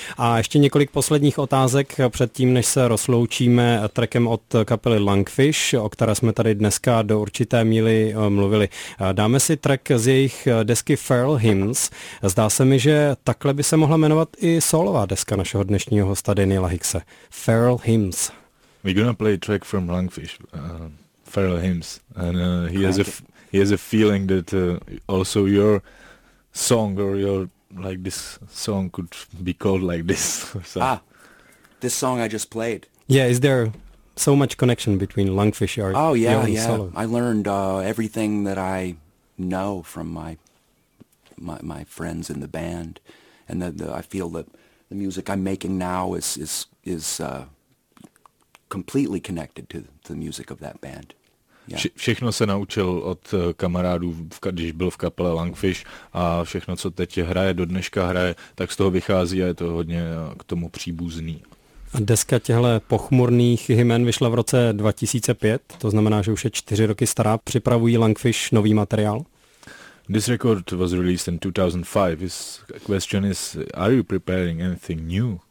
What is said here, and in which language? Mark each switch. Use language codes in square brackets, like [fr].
[cs] A ještě několik posledních otázek předtím, než se rozloučíme trackem od kapely Lungfish, o které jsme tady dneska do určité míry mluvili. Dáme si track z jejich desky Feral Hymns. Zdá se mi, že takhle by se mohla jmenovat i solová deska našeho dnešního hosta Daniela Hickse. Feral Hymns. [en] We're gonna play a track from Lungfish, Feral Hymns, and he has a feeling that also your song or your like this song could be called like this. So. This song I just played. Yeah, is there so much connection between Lungfish or your solo? Oh yeah, yeah. I learned everything that I know from my friends in the band, and I feel that the music I'm making now is completely connected to the music of that band. Yeah. [cs] Všechno se naučil od kamarádů, když byl v kapele Lungfish, a všechno, co teď hraje, do dneška hraje, tak z toho vychází a je to hodně k tomu příbuzný. A deska těchto pochmurných hymen vyšla v roce 2005, to znamená, že už je 4 roky stará. Připravují Lungfish nový materiál? [en] This record was released in 2005. His question is, are you preparing anything new?